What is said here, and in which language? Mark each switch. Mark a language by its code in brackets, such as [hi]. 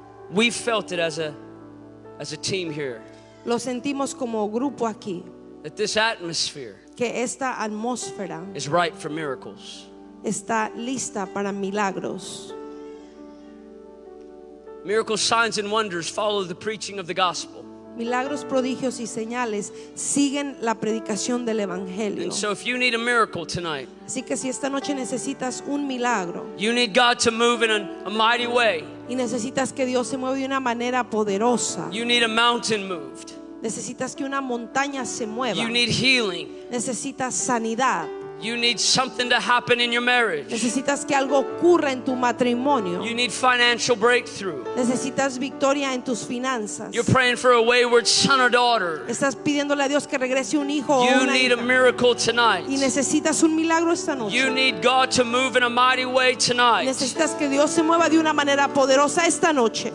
[en] We felt it as a team here. [es] Lo sentimos como grupo aquí. [en] That this atmosphere, [es] que esta atmósfera, [en] is ripe for miracles. [es] Está lista para milagros. [en] Miracles, signs, and wonders follow the preaching of the gospel. [es] Milagros, prodigios y señales siguen la predicación del evangelio. [en] And so if you need a miracle tonight, [es] así que si esta noche necesitas un milagro, [en] you need God to move in a mighty way, [es] y necesitas que Dios se mueva de una manera poderosa, [en] you need a mountain moved, [es] necesitas que una montaña se mueva, [en] you need healing, [es] necesitas sanidad, [en] you need something to happen in your marriage, [es] necesitas que algo ocurra en tu matrimonio, [en] you need financial breakthrough, [es] necesitas victoria en tus finanzas, [en] you're praying for a wayward son or daughter, [es] estás pidiéndole a Dios que regrese un hijo o una hija, [en] you need a miracle tonight, [es] y necesitas un milagro esta noche, [en] you need God to move in a mighty way tonight, [es] necesitas que Dios se mueva de una manera poderosa esta noche.